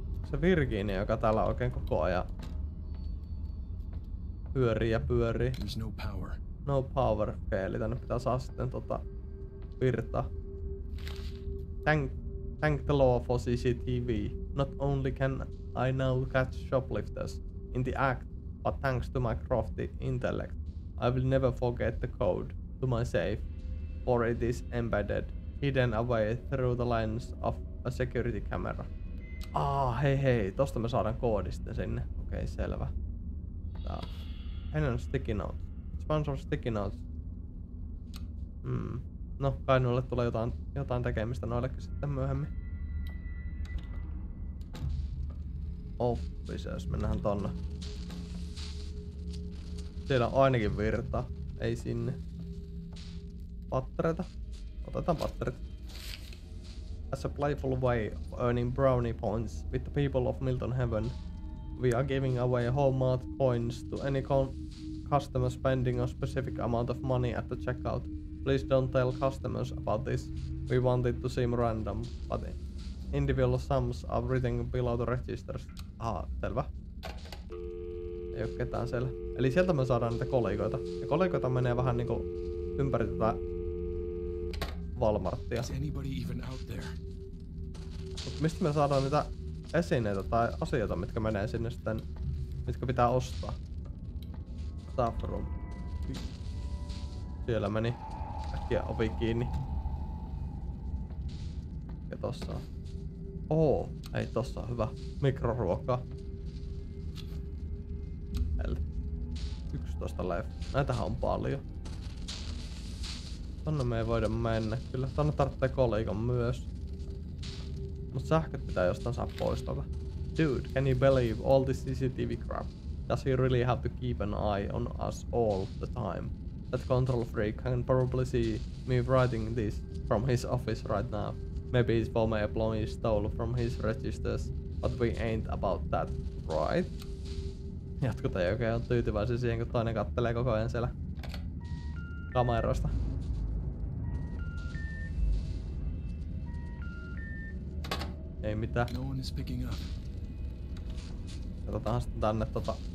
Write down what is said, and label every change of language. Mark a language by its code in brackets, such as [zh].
[fi] Se Virginia, joka täällä oikein koko ajan pyörii ja pyörii. [en] There's no power. No power. [fi] Okei, eli tänne pitää saa sitten virtaa. [en] Thank the law for CCTV. Not only can I now catch shoplifters in the act, but thanks to my crafty intellect, I will never forget the code to my safe, for it is embedded, hidden away through the lens of a security camera. [fi] Hei, tosta me saadaan koodi sitten sinne. Okei, selvä. Tää on sticky notes. [en] Sponsor sticky notes. [fi] No, kai noille tulee jotain tekemistä noillekin sitten myöhemmin. Offices, mennään tonne. Siellä on ainakin virta, ei sinne. Pattereita. Otetaan patterit. [en] As a playful way of earning brownie points with the people of Milton Heaven, we are giving away Walmart coins to any customer spending a specific amount of money at the checkout. Please don't tell customers about this. We want it to seem random, but individual sums are written below the registers. [fi] Selvä. Ei oo ketään siellä. Eli sieltä me saadaan niitä kolikoita. Ja kolikoita menee vähän niinku ympäri tätä Walmartia. [en] Is anybody even out there? [fi] Mut mistä me saadaan niitä esineitä tai asioita, mitkä menee sinne sitten, mitkä pitää ostaa? Staff room. Siellä meni äkkiä ovi kiinni. Ja tossa on. Ei tossa on hyvä. Mikroruokaa. 11 life. Näitähän on paljon. Tonne me ei voida mennä. Kyllä tonne tarvitsee kolikon myös. Mut sähköt pitää jostain saa pois tuolta. [en] Dude, can you believe all this CCTV crap? Does he really have to keep an eye on us all the time? That control freak can probably see me writing this from his office right now. Maybe his former employee stole from his registers, but we ain't about that, right? [fi] Jatkut ei oikein ole tyytyväisiä siihen, kun toinen kattelee koko ajan siellä kameroista. Ei mitään. [en] No one is picking up. [fi] Katsotaan sitten tänne tota...